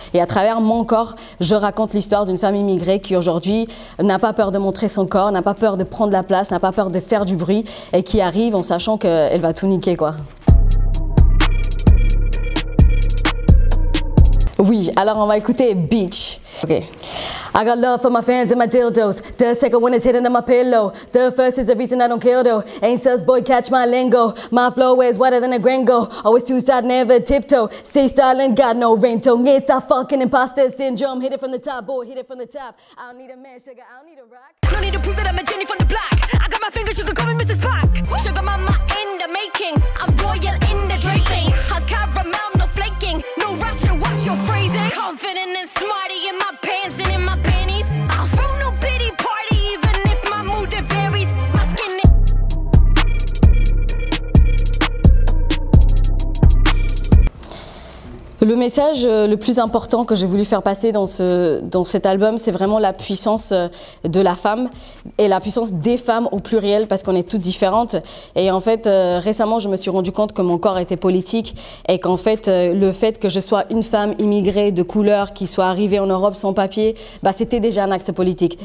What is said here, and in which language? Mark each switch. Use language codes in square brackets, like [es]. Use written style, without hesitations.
[fr] Et à travers mon corps, je raconte l'histoire d'une femme immigrée qui aujourd'hui n'a pas peur de montrer son corps, n'a pas peur de prendre la place, n'a pas peur de faire du bruit et qui arrive en sachant qu'elle va tout niquer, quoi. Oui, alors on va écouter Beach. Ok. [en] I got love for my fans and my dildos. The second one is hidden in my pillow. The first is the reason I don't kill though. Ain't sus boy, catch my lingo. My flow is wider than a gringo. Always two side, never tiptoe. Stay silent, got no ringtone. It's a fucking imposter syndrome. Hit it from the top, boy, hit it from the top. I don't need a man, sugar, I don't need a rock. No need to prove that I'm a genie from the block. I got my fingers, sugar, call me Mrs. Park. Sugar mama in the making. I'm royal in the draping. Hot caramel, no flaking. No ratchet. You're freezing. Confident and smarty in my pants and in my panties. I'll throw no pity party even if my mood it varies. My skin is... [fr] Le message le plus important que j'ai voulu faire passer dans cet album, c'est vraiment la puissance de la femme et la puissance des femmes au pluriel, parce qu'on est toutes différentes. Et en fait, récemment, je me suis rendu compte que mon corps était politique et qu'en fait, le fait que je sois une femme immigrée de couleur qui soit arrivée en Europe sans papier, bah, c'était déjà un acte politique.